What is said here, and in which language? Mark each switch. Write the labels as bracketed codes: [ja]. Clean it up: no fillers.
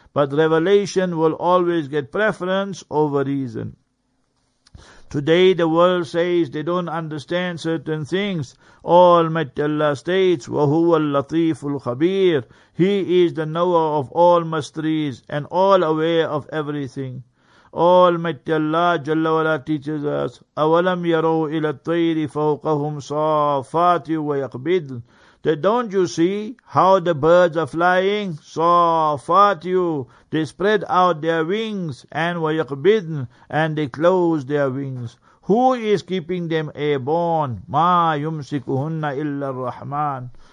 [en] But revelation will always get preference over reason. Today the world says they don't understand certain things. Almighty Allah states, [ar] وَهُوَ اللَّطِيفُ الْخَبِيرُ. [en] He is the knower of all mysteries and all aware of everything. Almighty Allah Jalla Wala teaches us, [ar] أَوَلَمْ يَرَوْا إِلَى الطَّيْرِ فَوْقَهُمْ صَافَاتٍ وَيَقْبِضْنَ. [en] That don't you see how the birds are flying? So far to you, they spread out their wings and were yakbidn, and they close their wings. Who is keeping them airborne? [ar] Ma yumsikuhunna illa Rahman.